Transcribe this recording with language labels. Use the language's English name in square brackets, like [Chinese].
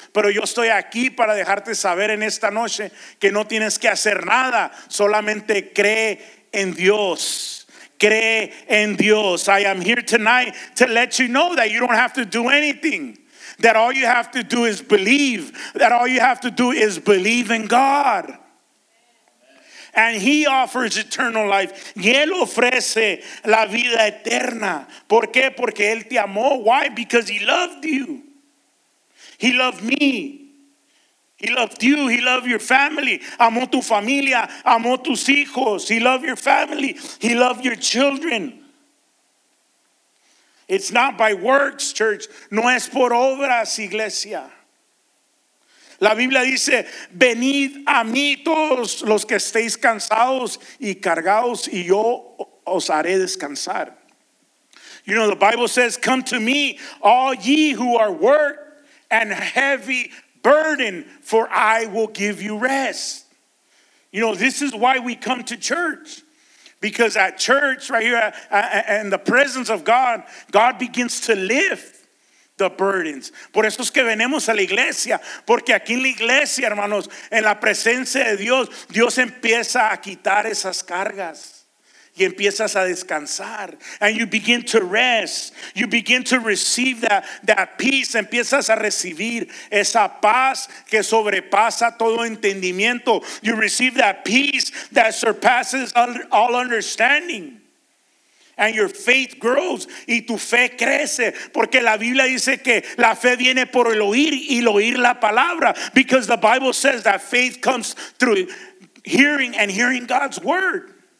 [Spanish] Pero yo estoy aquí para dejarte saber en esta noche que no tienes que hacer nada. Solamente cree en Dios. Cree en Dios. [English] I am here tonight to let you know that you don't have to do anything. That all you have to do is believe. That all you have to do is believe in God. And he offers eternal life. [Spanish] Y él ofrece la vida eterna. ¿Por qué? Porque él te amó. [English] Why? Because he loved you. He loved me. He loved you. He loved your family. [Spanish] Amó tu familia. Amó tus hijos. [English] He loved your family. He loved your children. It's not by works, church. [Spanish] No es por obras, iglesia. La Biblia dice, venid a mí todos los que estéis cansados y cargados y yo os haré descansar. [English] You know, the Bible says, come to me, all ye who are worked and heavy burdened, for I will give you rest. You know, this is why we come to church. Because at church, right here, in the presence of God, God begins to lift the burdens. [Spanish] Por eso es que venimos a la iglesia. Porque aquí en la iglesia, hermanos, en la presencia de Dios, Dios empieza a quitar esas cargas. Y empiezas a descansar. [English] And you begin to rest. You begin to receive that peace. [Spanish] Empiezas a recibir esa paz que sobrepasa todo entendimiento. [English] You receive that peace that surpasses all understanding. And your faith grows. [Spanish] Y tu fe crece. Porque la Biblia dice que la fe viene por el oír y el oír la palabra. [English] Because the Bible says that faith comes through hearing and hearing God's word.